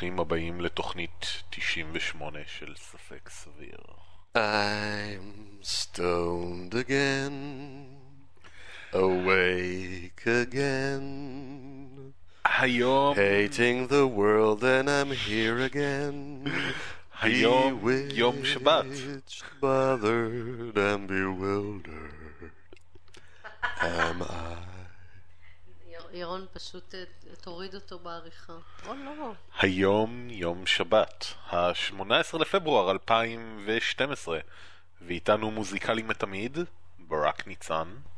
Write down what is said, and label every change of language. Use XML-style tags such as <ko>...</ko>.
<he>הבאים לתוכנית 98 של ספק סביר.</he> <en>I'm stoned again, awake again,</en> <he>היום</he> <en>hating the world and I'm here again.</en> <he>היום יום שבת,</he> <en>bothered and bewildered am I.</en> <he>ירון, פשוט תוריד אותו בעריכה. או לא. היום יום שבת, ה-18 לפברואר 2012, ואיתנו מוזיקלי מתמיד, ברק ניצן.</he>